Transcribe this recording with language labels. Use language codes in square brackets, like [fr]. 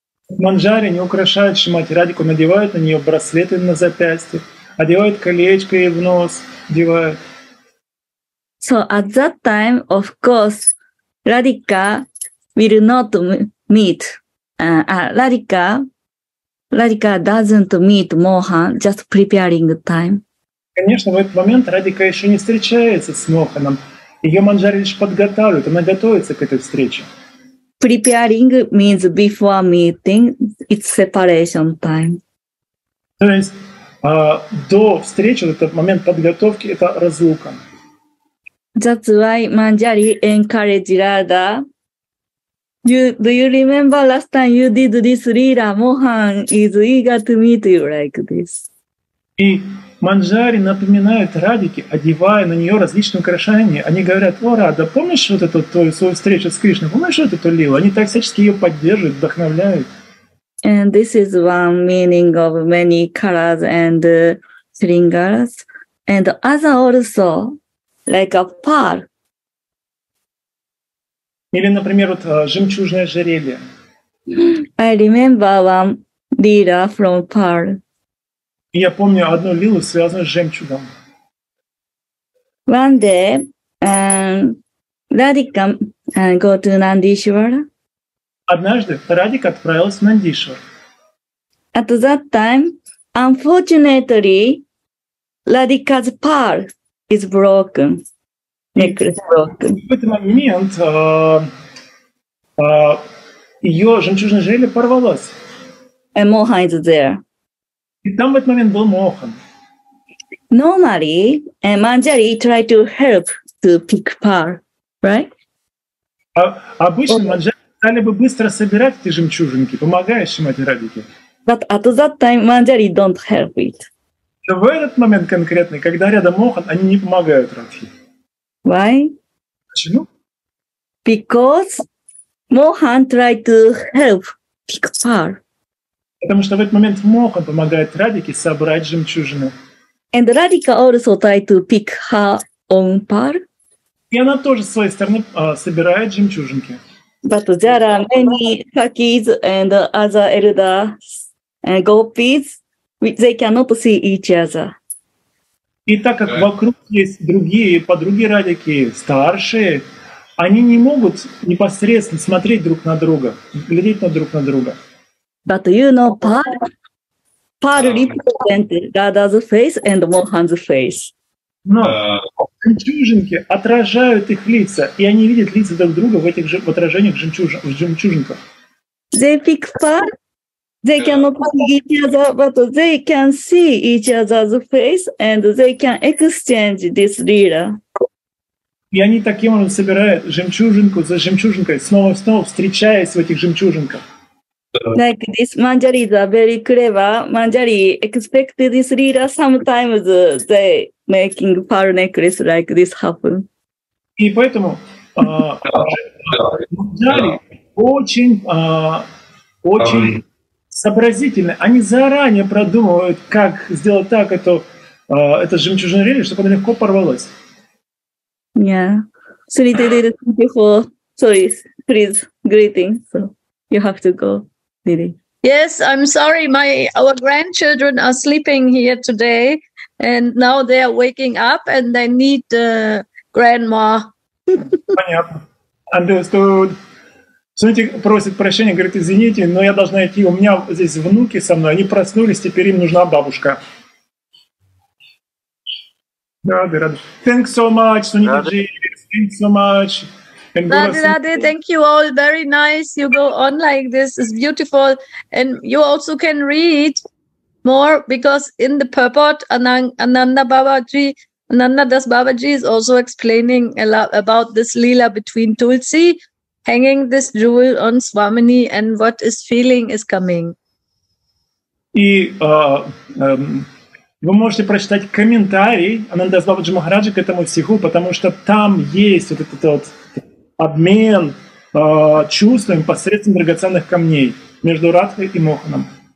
[ru] Манджари не украшает Шримати Радику, надевает на нее браслеты на запястье, одевает колечко ей в нос, одевает. [en] So at that time, of course, Radhika will not meet. Radhika doesn't meet Mohan, just preparing the time. [ru] Конечно, в этот момент Радика еще не встречается с Моханом. Ее Манджари лишь подготавливает, она готовится к этой встрече. [en] Preparing means before meeting, it's separation time. [ru] То есть до встречи, этот момент подготовки, это разлука. [en] That's why Manjari encouraged Radha. Do you remember last time you did this lila? Mohan is eager to meet you like this. [ru] И Манджари напоминает Радике, одевая на нее различные украшения. Они говорят: «О, Рада, помнишь вот эту твою свою встречу с Кришной? Помнишь вот эту лилу?» Они так всячески ее поддерживают, вдохновляют. [en] And this is one meaning of many colors and shringaras. And as also, like a pearl. [ru] Или, например, вот жемчужное ожерелье. [en] I remember one lila from pearl. [ru] Я помню одну лилу, связанную с жемчугом. [en] One day, Radhika go to Nandishwara. [ru] Однажды Радика отправилась в Нандишвар. [en] At that time, unfortunately, Radhika's pearl is broken. [ru] В этот момент ее жемчужное ожерелье порвалось. [en] And Mohan is there. [ru] И там в этот момент был Мохан. [en] Normally, Manjari try to help to pick pearl, right? [ru] Обычно Манджари стали бы быстро собирать эти жемчужинки, помогая Шримати Радике. [en] But at that time, Manjari don't help it. [ru] Но в этот момент конкретный, когда рядом Мохан, они не помогают Радхи. [en] Why? [ru] Почему? [en] Because Mohan try to help pick pearl. [ru] Потому что в этот момент Мохан помогает Радике собрать жемчужины. [en] And Radhika also try to pick her own pearl. [ru] И она тоже с своей стороны собирает жемчужинки. [en] But there are many sakis and other elders and gopis, which they cannot see each other. [ru] И так как вокруг есть другие подруги Радики, старшие, они не могут непосредственно смотреть друг на друга, глядеть на друг на друга. [en] But you know, pearl represents Radha's face and Mohan's face. [ru] Но жемчужинки отражают их лица, и они видят лица друг друга в этих же отражениях в жемчужинках. [en] They pick pearl. They cannot see each other, but they can see each other's face, and they can exchange this lila. [ru] И они таким образом собирают жемчужинку за жемчужинкой, снова и снова встречаясь в этих жемчужинках. [en] Like this, Manjari is very clever. Manjari expected this lila. Sometimes they making pearl necklace like this happen. [ru] И поэтому Манджари очень сообразительны. Они заранее продумывают, как сделать так это жемчужное ожерелье, чтобы оно легко порвалось. [en] Yeah. Please, greeting. So you have to go. Yes, I'm sorry. Our grandchildren are sleeping here today. And now they are waking up and they need the grandma. [ru] Понятно. [en] Understood. [ru] Смотрите, просит прощения, говорит, извините, но я должна идти. У меня здесь внуки со мной. Они проснулись, теперь им нужна бабушка. Рады, рады. [en] Thanks so much, Сунитаджи. Thanks so much. Ради, thank you all. Very nice. You go on like this. It's beautiful. And you also can read more because in the purport, Ananda Babaji, Ananda Das Babaji is also explaining a lot about this Leela between Tulsi hanging this jewel on Swamini and what is feeling is coming. [ru] И вы можете прочитать комментарий Ананда Das Babaji Maharaja к этому стиху, потому что там есть вот этот вот обмен чувствами посредством драгоценных камней между Радхой и Моханом.